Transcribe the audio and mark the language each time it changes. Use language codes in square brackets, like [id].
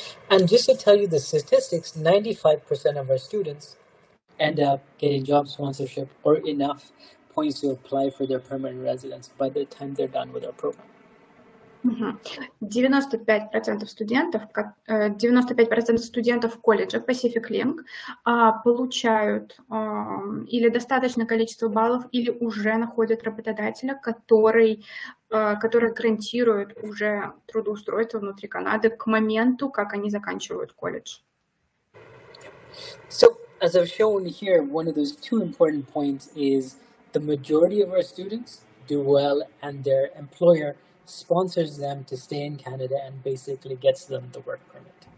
[en] And just to tell you the statistics, 95% of our students end up getting job sponsorship or enough points to apply for their permanent residence by the time they're done with our program. [ru] 95% студентов колледжа Pacific Link получают или достаточное количество баллов, или уже находят работодателя, который гарантирует уже трудоустройство внутри Канады к моменту, как они заканчивают колледж. [en] So, as I've shown here, one of those two important points is the majority of our students do well and their employer sponsors them to stay in Canada and basically gets them the work permit.